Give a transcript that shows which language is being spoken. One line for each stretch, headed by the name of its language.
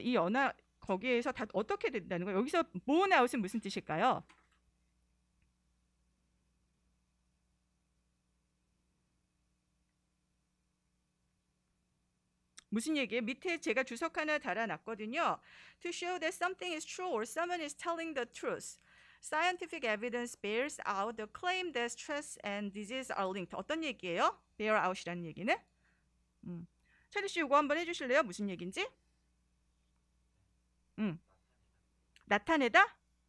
Korean: 이 연화 거기에서 다 어떻게 된다는 거예요? 여기서 borne out은 무슨 뜻일까요? 무슨 얘기예요? 밑에 제가 주석 하나 달아놨거든요.
English: To show that something is true or someone is telling the truth. Scientific evidence bears out the claim that stress and disease are linked.
Korean: 어떤 얘기예요? Bear out이라는 얘기는? 차리 씨 이거 한번 해주실래요? 무슨 얘기인지? 나타내다?